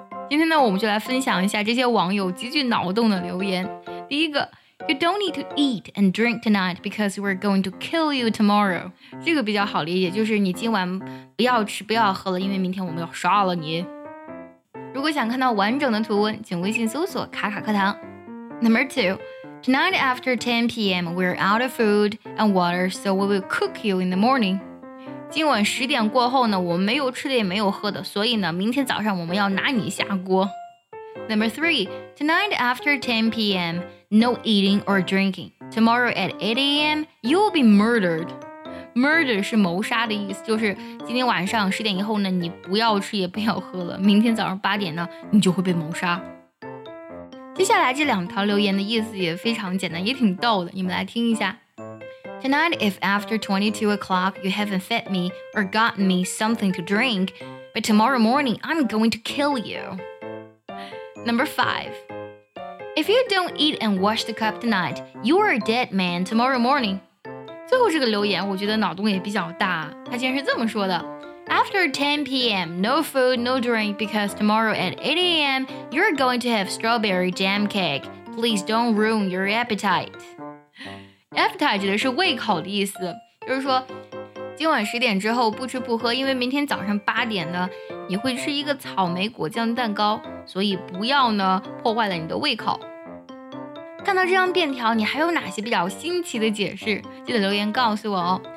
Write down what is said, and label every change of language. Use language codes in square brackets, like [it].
[zh] 今天呢我们就来分享一下这些网友极具脑洞的留言。第一个， You don't need to eat and drink tonight because we're going to kill you tomorrow，这个比较好理解，就是你今晚不要吃不要喝了，因为明天我们要杀了你。如果想看到完整的图文请微信搜索卡卡课堂。 [en] Number two，Tonight after 10 p.m. we're out of food and water, so we will cook you in the morning. [zh] 今晚十点过后呢，我们没有吃的也没有喝的，所以呢，明天早上我们要拿你下锅。 [en] Number three, tonight after 10 p.m. no eating or drinking. Tomorrow at 8 a.m. you will be murdered. [zh] Murder 是谋杀的意思，就是今天晚上十点以后呢，你不要吃也不要喝了，明天早上八点呢，你就会被谋杀。接下来这两条留言的意思也非常简单，也挺逗的，你们来听一下。 [en] Tonight if after 22 o'clock you haven't fed me or gotten me something to drink, but tomorrow morning I'm going to kill you. Number 5, if you don't eat and wash the cup tonight, you are a dead man tomorrow morning. [zh] 最后这个留言我觉得脑洞也比较大，他竟然是这么说的。 [en] After 10 p.m., no food, no drink, because tomorrow at 8 a.m., you're going to have strawberry jam cake. Please don't ruin your appetite. [zh] Appetite 指的是胃口的意思，就是说，今晚十点之后不吃不喝，因为明天早上八点呢，你会吃一个草莓果酱蛋糕，所以不要呢，破坏了你的胃口。看到这张便条，你还有哪些比较新奇的解释？记得留言告诉我哦。